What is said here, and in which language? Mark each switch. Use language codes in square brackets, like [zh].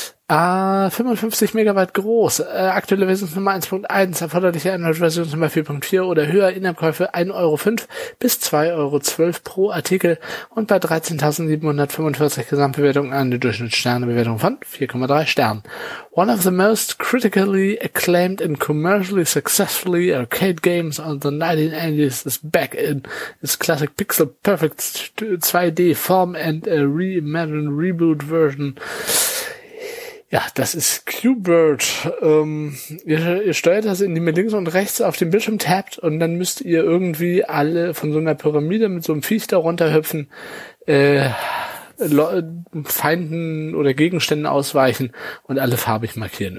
[de] 55 Megabyte groß, aktuelle Versionsnummer 1.1, erforderliche Android-Versionsnummer 4.4 oder höher, In-App-Käufe 1,05 bis 2,12 € pro Artikel und bei 13.745 Gesamtbewertungen eine Durchschnittssternebewertung von 4,3 Sternen. [en] One of the most critically acclaimed and commercially successfully arcade games of the 1980s is back in its classic pixel-perfect 2D form and a reimagined reboot version. [de] Ja, das ist Q-Bert. Ihr steuert das, indem ihr links und rechts auf dem Bildschirm tappt und dann müsst ihr irgendwie alle von so einer Pyramide mit so einem Viech darunter hüpfen, Feinden oder Gegenständen ausweichen und alle farbig markieren.